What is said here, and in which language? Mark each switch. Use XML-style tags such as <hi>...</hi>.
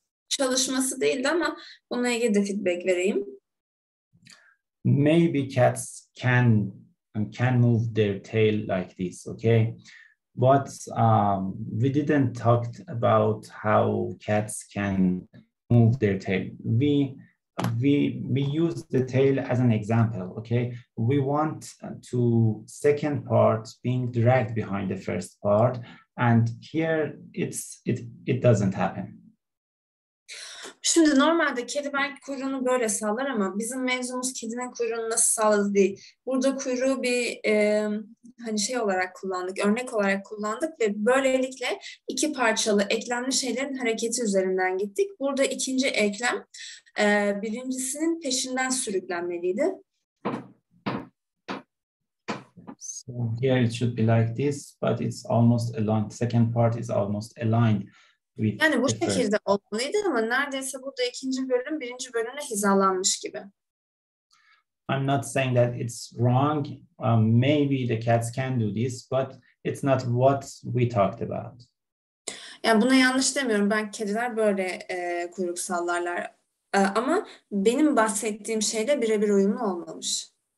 <tr>Çalışması değildi ama bununla ilgili de feedback vereyim.</tr> <en>Maybe cats can move their tail like this. Okay. But we didn't talk about how cats can move their tail. We use the tail as an example, okay? We want to second part being dragged behind the first part, and here it doesn't happen.</en> <tr>Şimdi normalde kedi belki kuyruğunu böyle sallar ama bizim mevzumuz kedinin kuyruğunu nasıl salladı değil. Burada kuyruğu bir hani şey olarak kullandık, örnek olarak kullandık ve böylelikle iki parçalı eklemli şeylerin hareketi üzerinden gittik. Burada ikinci eklem birincisinin peşinden sürüklenmeliydi.</tr> <en>So here it should be like this, but it's almost aligned. Second part is almost aligned.</en> <tr>Yani bu şekilde olmalıydı ama neredeyse burada ikinci bölüm birinci bölüme hizalanmış gibi.</tr> <en>I'm not saying that it's wrong. Maybe the cats can do this, but it's not what we talked about.</en> <tr>Yani buna yanlış demiyorum. Ben kediler böyle kuyruk sallarlar. Ama benim bahsettiğim şeyle birebir uyumlu olmamış.</tr>